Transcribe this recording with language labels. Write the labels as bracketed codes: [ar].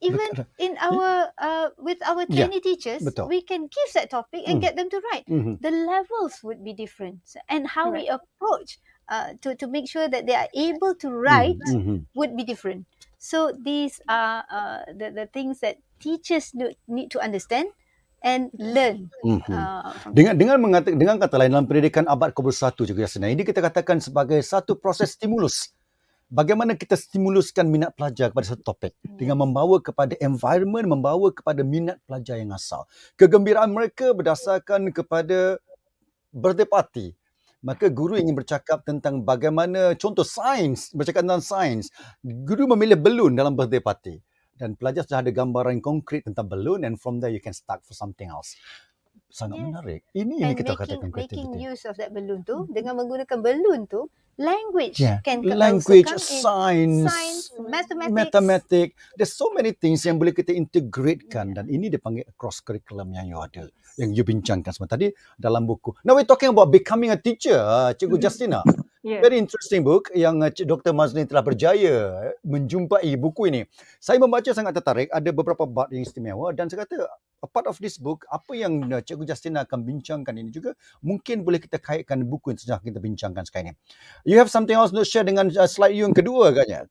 [en] Even in our with our trainee teachers, we can give that topic and get them to write. The levels would be different, and how we approach to make sure that they are able to write would be different. So these are the things that teachers need to understand, and learn. [ms] Dengan mengatakan, dengan kata lain, dalam pendidikan abad ke-1 juga Yasina, ini kita katakan sebagai satu proses stimulus. Bagaimana kita stimuluskan minat pelajar kepada satu topik dengan membawa kepada environment, membawa kepada minat pelajar yang asal. Kegembiraan mereka berdasarkan kepada birthday party. Maka guru ingin bercakap tentang bagaimana, contoh sains, bercakap tentang sains. Guru memilih balloon dalam birthday party. Dan pelajar sudah ada gambaran konkret tentang balloon [en] and from there you can start for something else. [ms] Sangat menarik. Ini yang kita katakan. [en] Making use of that balloon [ms] tu, dengan menggunakan balloon tu, [en] language can come in. Language, science, mathematics. There's so many things [ms] yang boleh kita integratekan. Dan ini dipanggil cross curriculum yang you ada, yang you bincangkan semua tadi dalam buku. [en] Now we're talking about becoming a teacher, Cikgu Justina. Very interesting book [ms] yang [en] Dr. [ms] Mazni telah berjaya menjumpai buku ini. Saya membaca sangat tertarik. Ada beberapa bab yang istimewa dan saya kata [en] a part of this book, [ms] apa yang Cikgu Justina akan bincangkan ini juga mungkin boleh kita kaitkan buku yang sedang kita bincangkan sekarang ini. [en] You have something else to share [ms] dengan [en] slide you [ms] yang kedua agaknya?